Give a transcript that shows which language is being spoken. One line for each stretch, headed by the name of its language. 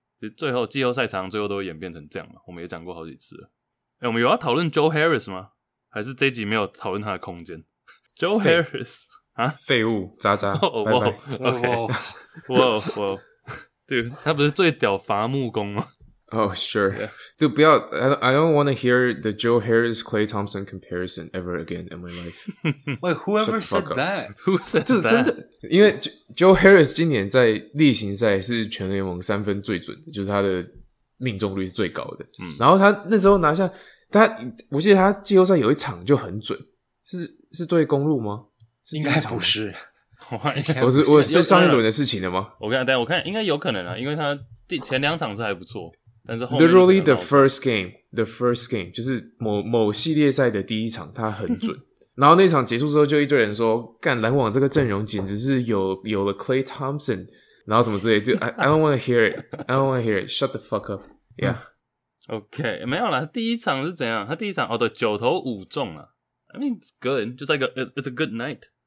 Chinese: 其实最后季后赛场最后都会演变成这样嘛，我们也讲过好几次了。欸，我们有要讨论 Joe Harris 吗？还是这一集没有讨论他的空间 ？Joe Harris 啊，废物渣渣，哦、拜拜。哇、okay. 哇、哦、哇、哦，对，他不是最屌伐木工吗？
English: Oh, sure. Yeah. Dude,
Chinese: 不要
English: I don't want to hear the Joe Harris-Clay Thompson comparison ever again in my life. Wait, whoever said that? Who said that?
Chinese: 就是真的，因为 Joe Harris 今年在例行赛是全联盟三分最准的，就是他的命中率是最高的。嗯，然后他那时候拿下，他，我记得他季后赛有一场就很准，是对公路吗？应该不是。我是上一轮的事情了吗？我看应该有可能啊，因为他前两场是还不错。但是後面
English: literally the first game
Chinese: 就是某系列赛的第一场，他很准。然后那场结束之后，就一堆人说：“干篮网这个阵容简直是有了 Clay Thompson， 然后什么之类。
English: ”Dude, I don't want to hear it. Shut the fuck up. Yeah.
Chinese: OK， 没有啦，第一场是怎样？他第一场哦，对，九投五中了。
English: I mean it's good，
Chinese: 就是一个
English: it's a good night.